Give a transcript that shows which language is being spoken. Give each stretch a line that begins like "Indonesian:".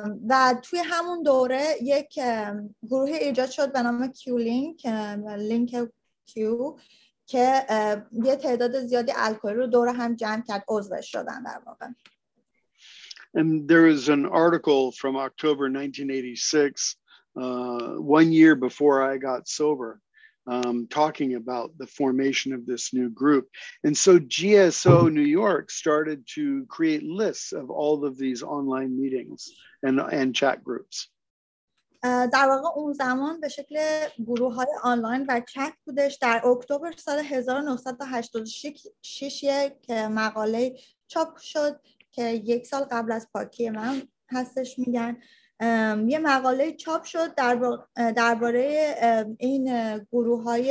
Persian: و توی همون دوره یک گروه ایجاد شد به نام Q-Link, Link Q, که یه تعداد زیادی الکلی رو دور هم جمع کرد، عضوش شدن در واقع.
English: And there is an article from October 1986, one year before I got sober, talking about the formation of this new group. And so GSO New York started to create lists of all of these online meetings and chat groups.
Persian: در واقع اون زمان به شکل گروه های آنلاین و چت بودش. در اکتبر سال 1986 یک مقاله چاپ شد که یک سال قبل از پاکی من هستش میگن، یه مقاله چاپ شد درباره این گروه